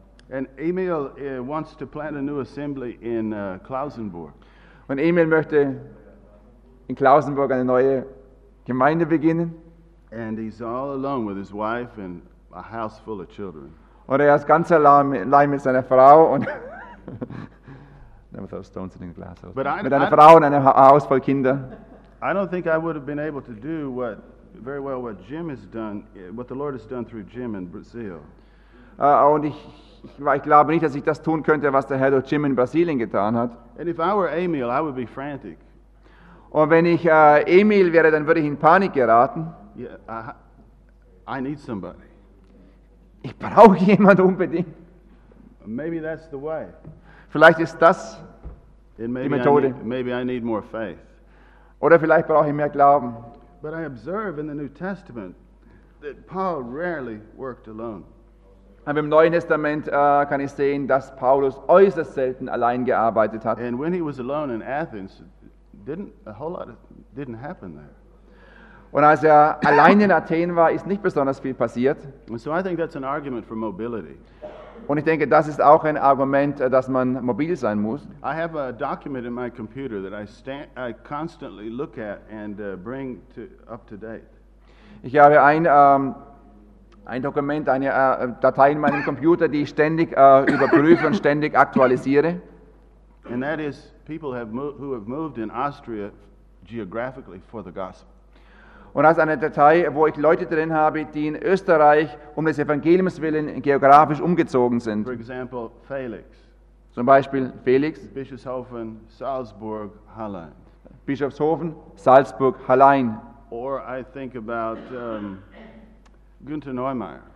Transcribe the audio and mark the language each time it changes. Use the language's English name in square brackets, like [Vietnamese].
[English] And Emil wants to plant a new assembly in Klausenburg. [German] Und Emil möchte in Klausenburg eine neue Gemeinde beginnen. [English] And he's all alone with his wife and a house full of children. [German] Und ist ganz allein mit seiner Frau und [English] never throw stones in the glass. But [German] mit einer Frau und einem Haus voll Kinder. [English] I don't think I would have been able to do what very well what Jim has done, what the Lord has done through Jim in Brazil. [German] Und ich glaube nicht, dass ich das tun könnte, was der Herr durch Jim in Brasilien getan hat. [English] And if I were Emil, I would be frantic. [German] Und wenn ich Emil wäre, dann würde ich in Panik geraten. [English] Yeah, I need somebody. [German] Ich brauche jemanden unbedingt. [English] Maybe that's the way. [German] Vielleicht ist das die Methode. [English] Maybe I need more faith. [German] Oder vielleicht brauche ich mehr Glauben. [English] But I observe in the New Testament that Paul rarely worked alone. [German] Aber im Neuen Testament kann ich sehen, dass Paulus äußerst selten allein gearbeitet hat. [English] And when he was alone in Athens, didn't happen there. [German] Und als er allein in Athen war, ist nicht besonders viel passiert. [English] And so I think that's an argument for mobility. [German] Und ich denke, das ist auch ein Argument, dass man mobil sein muss. [English] I have a document in my computer that I constantly look at and bring to up to date. [German] Ich habe ein Dokument, eine Datei in meinem Computer, die ich ständig überprüfe und ständig aktualisiere. [English] And that is people who have moved in Austria geographically for the gospel. [German] Und das ist eine Datei, wo ich Leute drin habe, die in Österreich um des Evangeliums willen geografisch umgezogen sind. [English] For example, Felix. [German] Zum Beispiel Felix. [English] Bischofshofen, Salzburg, Hallein. [German] Bischofshofen, Salzburg, Hallein. [English] Or I think about Günther Neumeier.